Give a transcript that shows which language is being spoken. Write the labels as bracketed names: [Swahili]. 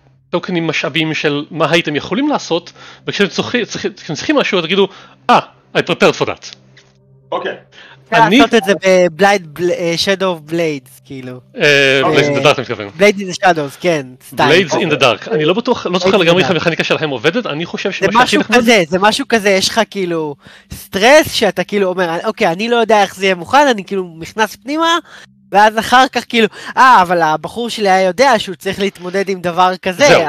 [Hebrew] טוקנים משאבים של מה הייתם יכולים לעשות, וכשאתם צריכים משהו, אתם תגידו, [English] I prepared for that. [Hebrew] אוקיי. אני... לעשות את זה ב-Blade, Shadow of Blades, כאילו. Blade in the Dark, אני מתכוון. Blade in the Shadows, כן, סטיין. Blades in the Dark. אני לא בטוח, לא זוכר לגמרי איך המכניקה שלהם עובדת, אני חושב שמה שהכי נכון... זה משהו כזה, יש לך כאילו סטרס, שאתה כאילו אומר, אוקיי, אני לא יודע איך זה יהיה מוכן, אני כאילו מכנס פנימה, ואז אחר כך כאילו, אבל הבחור שלי היה יודע שהוא צריך להתמודד עם דבר כזה,